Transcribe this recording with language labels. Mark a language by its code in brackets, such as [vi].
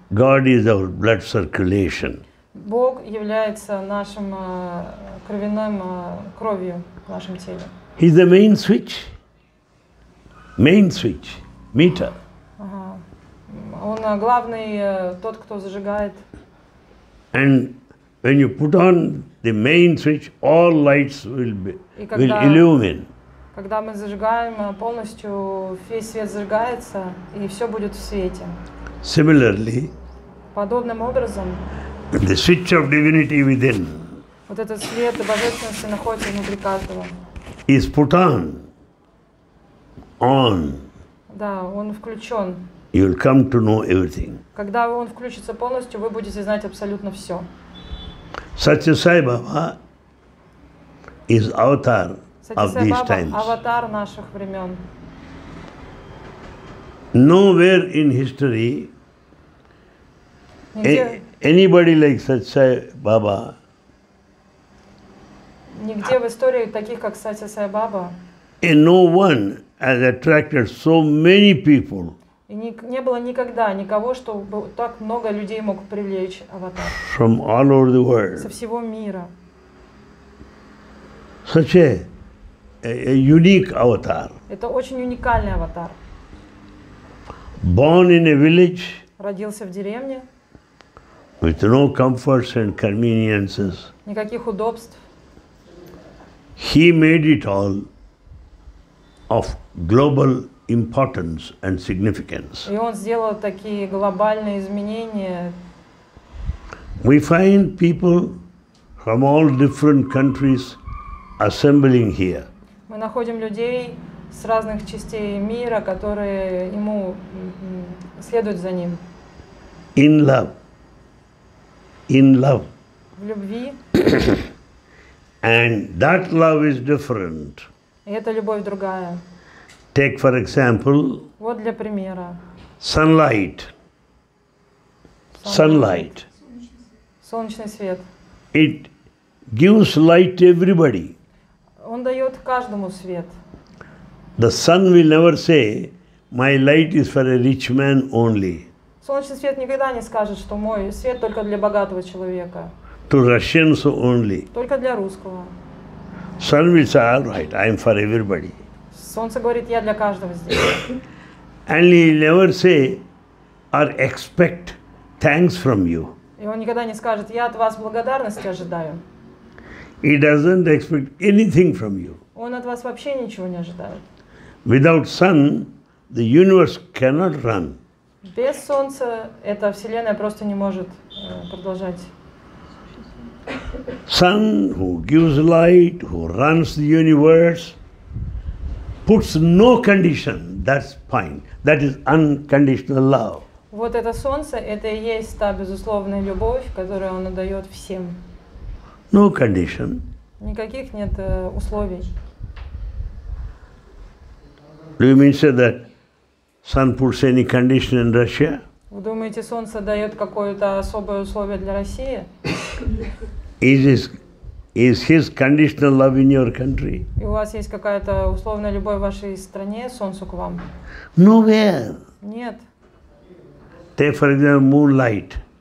[en] God is our blood circulation. [ru] Бог является нашим кровяным кровью в нашем теле. [en] He is the main switch. Main switch, meter. [ru] Он главный тот, кто зажигает. [en] And when you put on the main switch, all lights will illumine. [ru] Когда мы зажигаем полностью, весь свет зажигается, и все будет в свете. [en] Similarly, [ru] подобным образом, [en] the switch of divinity within. [ru] Вот этот свет божественности находится внутри каждого. [en] Is put on. On. [ru] Да, он включен. [en] You will come to know everything. [ru] Когда он включится полностью, вы будете знать абсолютно все. [en] Such a Sai Baba is avatar of these times. [ru] Аватар наших времен. [en] Nowhere in history anybody like Sat Sai Baba. [ru] Нигде в истории таких как Сати Сай Баба. [en] And no one has attracted so many people. [ru] И не было никогда никого, чтобы так много людей мог привлечь аватар. [en] From all over the world. [ru] Со всего мира. [en] Such a unique avatar. [ru] Это очень уникальный аватар. [en] Born in a village. [ru] Родился в деревне. [en] With no comforts and conveniences. [ru] Никаких удобств. [en] He made it all of global importance and significance. [ru] И он сделал такие глобальные изменения. [en] We find people from all different countries assembling here. [ru] Мы находим людей с разных частей мира, которые ему следуют за ним. [en] In love. In love. [ru] В любви. [en] And that love is different. [ru] И эта любовь другая. [en] Take for example. [ru] Вот для примера. [en] Sunlight. Sunlight. [ru] Солнечный свет. [en] It gives light to everybody. [ru] Он дает каждому свет. [en] The sun will never say, my light is for a rich man only. [ru] Солнечный свет никогда не скажет, что мой свет только для богатого человека. [en] To Russians only. [ru] Только для русского. [en] Sun will say, all right, I am for everybody. [ru] Солнце говорит, я для каждого здесь. [en] And he never say or expect thanks from you. [ru] И он никогда не скажет, я от вас благодарности ожидаю. [en] He doesn't expect anything from you. [ru] Он от вас вообще ничего не ожидает. [en] Without sun, the universe cannot run. [ru] Без солнца эта вселенная просто не может продолжать. [en] Sun, who gives light, who runs the universe, puts no condition. That's fine. That is unconditional love. [ru] Вот это солнце, это и есть та безусловная любовь, которую он отдает всем. [en] No condition. [ru] Никаких нет условий. [en] Do you mean say that sun puts any condition in Russia? [ru] Вы думаете, солнце дает какое-то особое условие для России? [en] Is his conditional love in your country? [ru] И у вас есть какая-то условная любовь в вашей стране, солнцу к вам? [en] Nowhere. [ru] Нет. [en] Take for example moonlight.